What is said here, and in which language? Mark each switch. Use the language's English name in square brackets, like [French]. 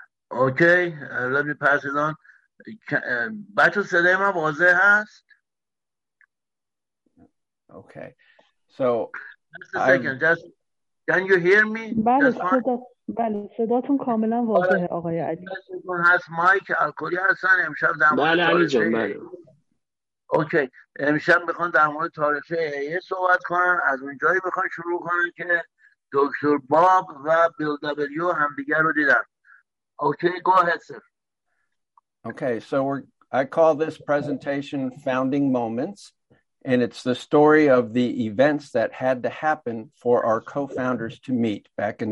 [English] Okay, let me pass it on. [Persian] بچه صدای من واضح هست؟ [English] Okay, so... Just a second, can you hear me? [Persian] بله, صداتون کاملا واضحه آقای علی. بچه هست مایک الکلی هستن امشب در مورد تاریخ. بله علی جان, بله. Okay, امشب میخوان در مورد تاریخ AA صحبت کنن. از اونجایی میخوان شروع کنن که دکتر باب و بیل دبلیو هم دیگر رو دیدن. [English] Okay, go ahead, sir. Okay, so I call this presentation Founding Moments, and it's the story of the events that had to happen for our co-founders to meet back in